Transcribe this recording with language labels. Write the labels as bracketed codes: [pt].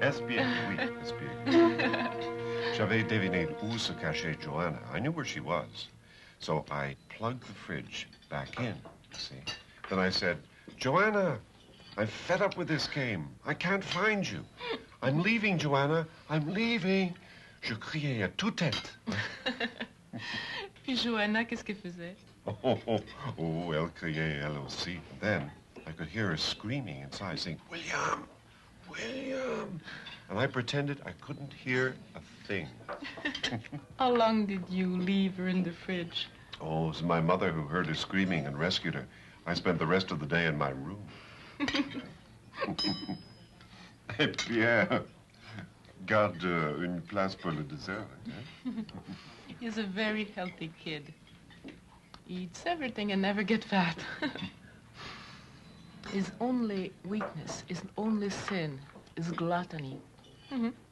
[fr] Espiègle, oui, J'avais deviné où se cachait Joanna. [en] I knew where she was. So I plugged the fridge back in, you see. Then I said, Joanna, I'm fed up with this game. I can't find you. I'm leaving, Joanna. I'm leaving. [fr] Je criais à toute tête. Puis Joanna, qu'est-ce qu'elle faisait? Oh, elle criait, elle aussi. [en] And then I could hear her screaming inside, saying, William, William. And I pretended I couldn't hear a thing. How long did you leave her in the fridge? Oh, it was my mother who heard her screaming and rescued her. I spent the rest of the day in my room. [fr] Hey, Pierre, garde une place pour le dessert. Eh? [en] He's a very healthy kid. He eats everything and never gets fat. His only weakness, his only sin is gluttony. Mm-hmm.